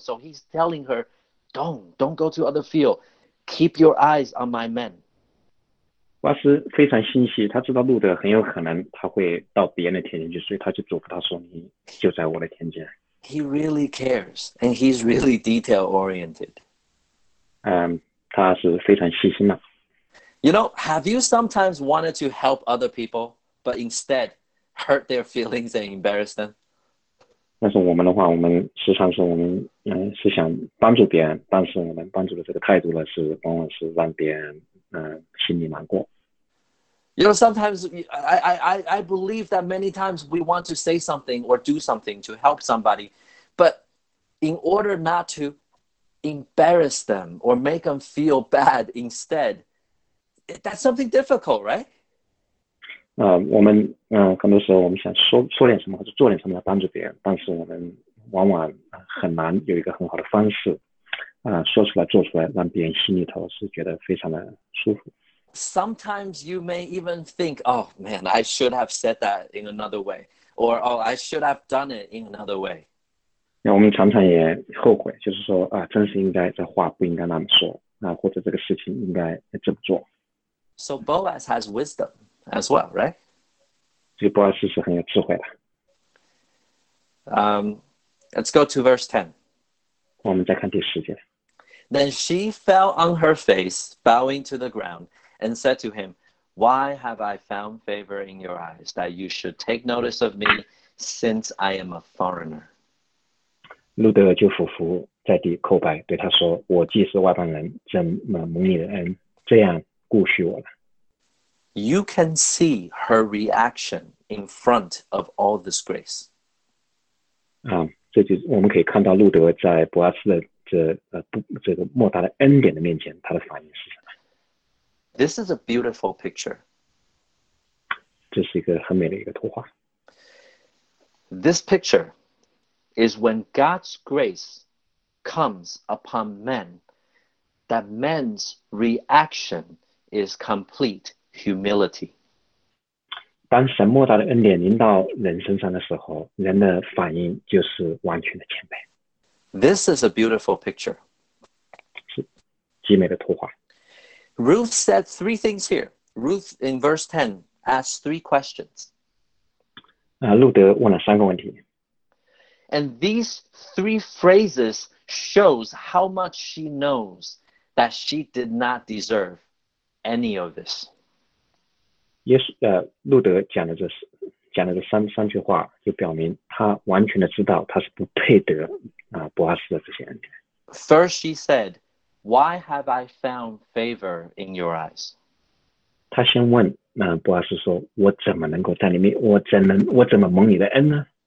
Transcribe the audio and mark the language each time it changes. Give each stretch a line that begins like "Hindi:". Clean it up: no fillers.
English: So he's telling her, don't go to other field. Keep your eyes on my men.
Chinese: 博阿斯非常心细，他知道路德很有可能他会到别人的田间去，所以他就嘱咐他说，你就在我的田间。
English: He really cares, and he's really detail-oriented.
Chinese: 他是非常细心的。
English: You know, have you sometimes wanted to help other people, but instead hurt their feelings and embarrass them?
Chinese: 但是我们的话，我们时常说我们是想帮助别人，但是我们帮助的这个态度呢，是往往是让别人心里难过。
English: You know, sometimes I believe that many times we want to say something or do something to help somebody, but in order not to embarrass them or make them feel bad instead, that's something difficult, right?
Chinese: 很多时候我们想说点什么或者做点什么来帮助别人，但是我们往往很难有一个很好的方式，说出来做出来，让别人心里头是觉得非常的舒服。
English: Sometimes you may even think, oh man, I should have said that in another way, or oh, I should have done it in another way.
Chinese: 那我们常常也后悔，就是说啊，真是应该这话不应该那么说啊，或者这个事情应该这么做。
English: So Boaz has wisdom as well, right?
Chinese: 这个 Boaz 是很有智慧的。
English: Let's go to verse 10.
Chinese: 我们再看第十节。
English: Then she fell on her face, bowing to the ground. And said to him, Why have I found favor in your eyes that you should take notice of me since I am a foreigner?
Chinese: 路德就俯伏在地叩拜，对他说，我既是外邦人，怎么蒙你的恩这样顾恤我呢？
English: You can see her reaction in front of all this grace.
Chinese: 这就是我们可以看到路德在伯阿斯的这个莫大的恩典的面前，他的反应是什么。
English: This is a beautiful picture.
Chinese: 这是一个很美的一个图画。
English: This picture is when God's grace comes upon men, that men's reaction is complete humility.
Chinese: 当神莫大的恩典临到人身上的时候，人的反应就是完全的谦卑。
English: This is a beautiful picture.
Chinese: 是极美的图画。
English: Ruth said three things here. Ruth, in verse 10, asked three questions.
Chinese: 路德问了三个问题。
English: And these three phrases shows how much she knows that she did not deserve any of this. Yes,
Chinese: 路德讲的这三句话就表明她完全的知道她是不配得伯阿斯的这些恩典。
English: First, she said,Why have I found favor in your eyes?
Chinese: 他先问，伯阿斯说，我怎么能够在你面，我怎么蒙你的恩呢？